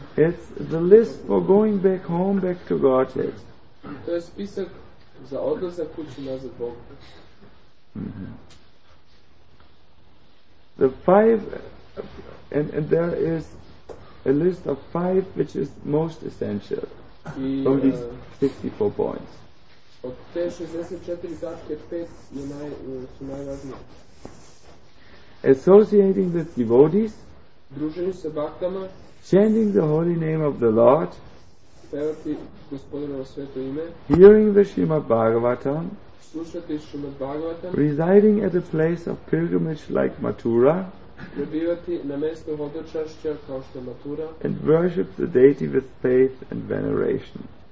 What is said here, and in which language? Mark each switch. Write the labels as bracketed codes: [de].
[en] It's the list for going back home, back to Godhead. [sr] To je spisak za odlazak kući nazad Bogu. [en] The five, and there is a list of five which is most essential from these 64 points. [sr] Od te 64 tačke 5 je su najvažnije. [en] Associating with devotees, [sr] druženje sa baktama, [en] chanting the holy name of the Lord, [sr] pevati gospodinovo sveto ime, [en] hearing the Srimad Bhagavatam, [sr] slušati Srimad Bhagavatam, [en] residing at a place of pilgrimage like Mathura, [sr] prebivati na mjestu vodočašća kao što je Mathura, [en] and worship the deity with faith and veneration.